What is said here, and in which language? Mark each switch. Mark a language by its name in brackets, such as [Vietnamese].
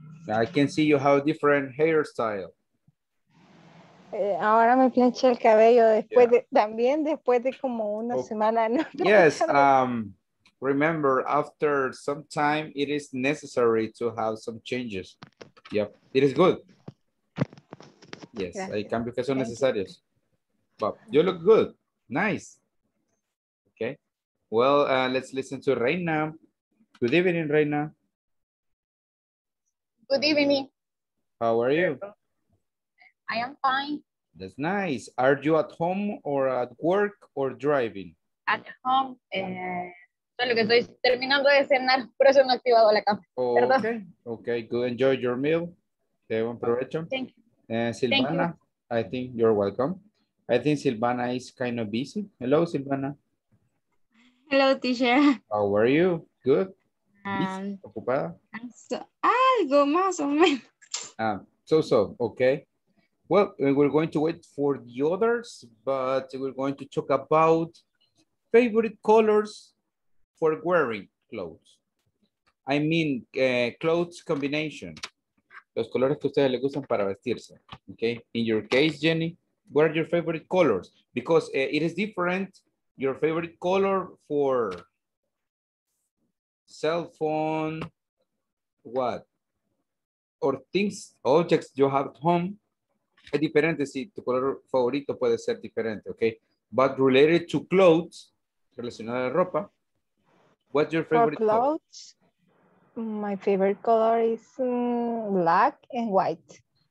[English] I can see you have a different hairstyle. [Spanish] Ahora me planché el cabello después de, también después de como una semana. ¿No? [English] Yes, remember, after some time, it is necessary to have some changes. Yep, it is good. Yes, [Spanish] hay cambios que son necesarios. [English] But you look good. Nice. Okay. Well, let's listen to Reina. Good evening, Reina. Good evening. How are you? I am fine. That's nice. Are you at home or at work or driving? At home. [Spanish] Solo que estoy terminando de cenar, por eso no he activado la cámara. [English] Oh, okay. Okay. Good. Enjoy your meal. Okay, [Spanish] buen provecho. [English] Thank you. Silvana, thank you. I think you're welcome. I think Silvana is kind of busy. Hello, Silvana. Hello, teacher. How are you? Good? [Spanish] Ocupada? So, algo más o menos. [English] So-so, okay. Well, we're going to wait for the others, but we're going to talk about favorite colors for wearing clothes. I mean, clothes combination. [Spanish] Los colores que a ustedes les gustan para vestirse, okay? [English] In your case, Jenny, what are your favorite colors? Because it is different. Your favorite color for cell phone, what? Or things, objects you have at home. [Spanish] Es diferente si tu color favorito puede ser diferente, okay? [English] But related to clothes, [Spanish] relacionada a ropa, [English] what's your favorite color? For clothes, my favorite color is black and white.